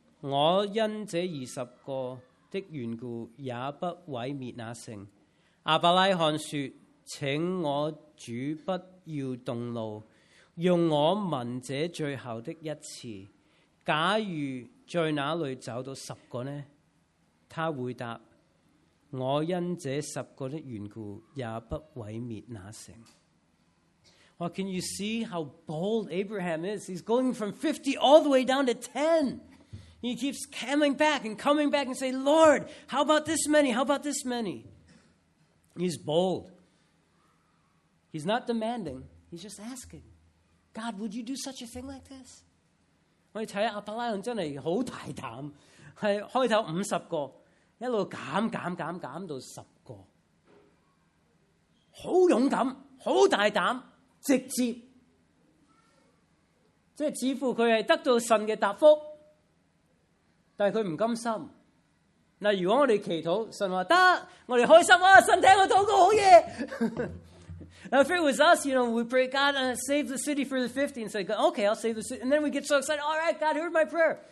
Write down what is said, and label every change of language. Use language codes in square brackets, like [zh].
[zh] 我因这二十个的缘故，也不毁灭那城。阿伯拉罕说：请我主不 要动怒，用我问这最后的一次。假如在哪里找到十个呢？他回答： 我因这十个的缘故也不毁灭那城。 [en] Well, can you see how bold Abraham is? He's going from 50 all the way down to 10. He keeps coming back and saying, Lord, how about this many? How about this many? He's bold. He's not demanding. He's just asking. God, would you do such a thing like this? [zh] 我们看亚伯拉罕真的很大胆，是开头五十个，一路减到十个，好勇敢，好大胆，直接，即是似乎他是得到神的答复，但是他不甘心。如果我们祈祷，神说得，我们开心，神听我祷告，好耶。 [en] Now, if it was us, you know, we pray, God, save the city for the 50, and say, okay, I'll save the city. And then we get so excited, all right, God, heard my prayer.